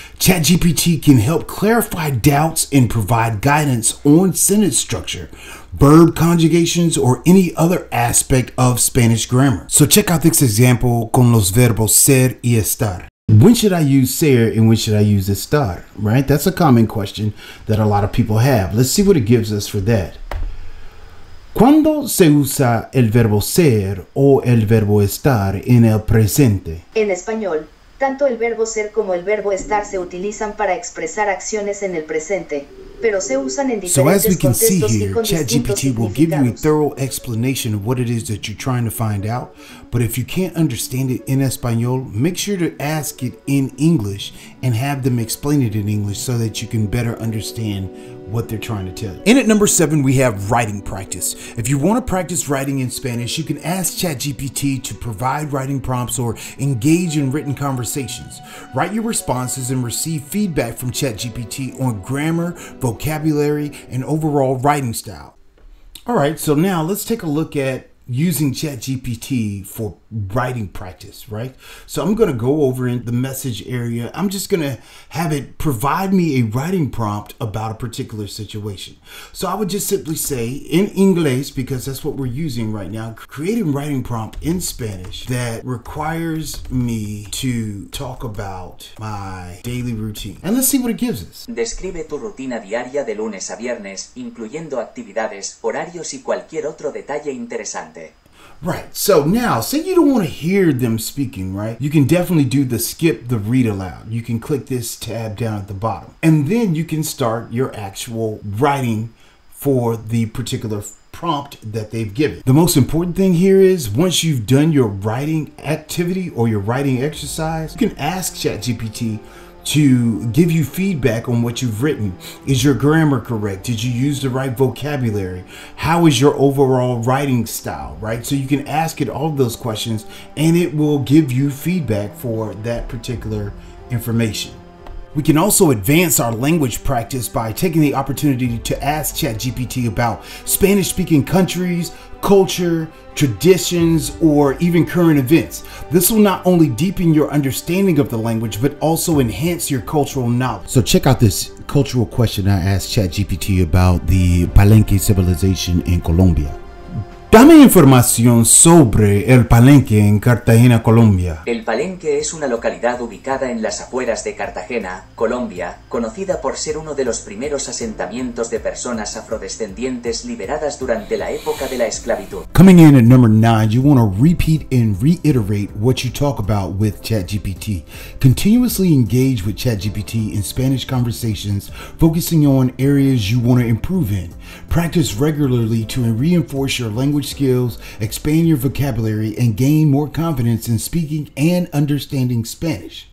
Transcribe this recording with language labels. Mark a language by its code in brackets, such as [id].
[en] ChatGPT can help clarify doubts and provide guidance on sentence structure, verb conjugations, or any other aspect of Spanish grammar. So check out this example [es] con los verbos ser y estar. [en] When should I use ser and when should I use estar, right? That's a common question that a lot of people have. Let's see what it gives us for that. [es] ¿Cuándo se usa el verbo ser o el verbo estar en el presente? En español, tanto el verbo ser como el verbo estar se utilizan para expresar acciones en el presente, pero se usan en diferentes contextos y con distintos significados. [en] So as we can see here, ChatGPT will give you a thorough explanation of what it is that you're trying to find out, but if you can't understand it in Español, make sure to ask it in English and have them explain it in English so that you can better understand what they're trying to tell you. And at number 7, we have writing practice. If you want to practice writing in Spanish, you can ask ChatGPT to provide writing prompts or engage in written conversations. Write your responses and receive feedback from ChatGPT on grammar, vocabulary, and overall writing style. All right, so now let's take a look at using ChatGPT for writing practice, right? So I'm going to go over in the message area. I'm just going to have it provide me a writing prompt about a particular situation. So I would just simply say in English, because that's what we're using right now, create a writing prompt in Spanish that requires me to talk about my daily routine. And let's see what it gives us. [es] Describe tu rutina diaria de lunes a viernes, incluyendo actividades, horarios y cualquier otro detalle interesante. [en] Right, so now, say you don't want to hear them speaking, right? You can definitely do the skip the read aloud. You can click this tab down at the bottom. And then you can start your actual writing for the particular prompt that they've given. The most important thing here is once you've done your writing activity or your writing exercise, you can ask ChatGPT to give you feedback on what you've written. Is your grammar correct? Did you use the right vocabulary? How is your overall writing style, right? So you can ask it all of those questions and it will give you feedback for that particular information. We can also advance our language practice by taking the opportunity to ask ChatGPT about Spanish speaking countries, culture, traditions, or even current events. This will not only deepen your understanding of the language, but also enhance your cultural knowledge. So check out this cultural question I asked ChatGPT about the Palenque civilization in Colombia. [es] Dame información sobre el Palenque en Cartagena, Colombia. El Palenque es una localidad ubicada en las afueras de Cartagena, Colombia, conocida por ser uno de los primeros asentamientos de personas afrodescendientes liberadas durante la época de la esclavitud. [en] Coming in at number 9, you want to repeat and reiterate what you talk about with ChatGPT. Continuously engage with ChatGPT in Spanish conversations, focusing on areas you want to improve in. Practice regularly to reinforce your language skills, expand your vocabulary, and gain more confidence in speaking and understanding Spanish.